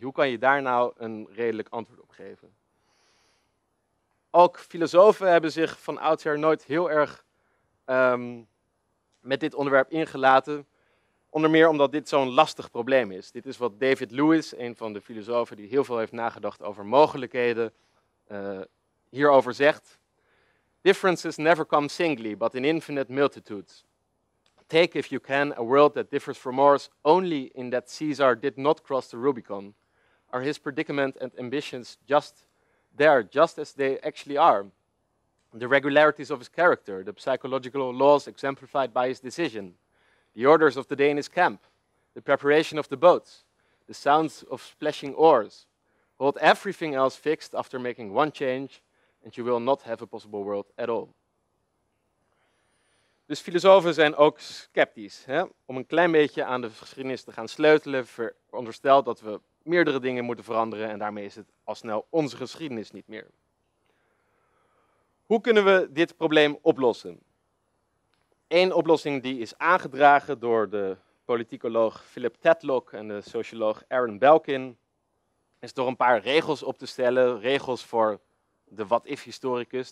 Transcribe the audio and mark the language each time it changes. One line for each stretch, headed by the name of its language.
Dutch: Hoe kan je daar nou een redelijk antwoord op geven? Ook filosofen hebben zich van oudsher nooit heel erg met dit onderwerp ingelaten. Onder meer omdat dit zo'n lastig probleem is. Dit is wat David Lewis, een van de filosofen die heel veel heeft nagedacht over mogelijkheden, hierover zegt.
English: Differences never come singly, but in infinite multitudes. Take, if you can, a world that differs from ours only in that Caesar did not cross the Rubicon. Are his predicament and ambitions just there, just as they actually are? The regularities of his character, the psychological laws exemplified by his decision, the orders of the day in his camp, the preparation of the boats, the sounds of splashing oars, hold everything else fixed after making one change, and you will not have a possible world at all.
Dutch: Dus filosofen zijn ook sceptisch. Hè? Om een klein beetje aan de geschiedenis te gaan sleutelen, veronderstelt dat we meerdere dingen moeten veranderen en daarmee is het al snel onze geschiedenis niet meer. Hoe kunnen we dit probleem oplossen? Eén oplossing die is aangedragen door de politicoloog Philip Tetlock en de socioloog Aaron Belkin is door een paar regels op te stellen, regels voor de what-if-historicus.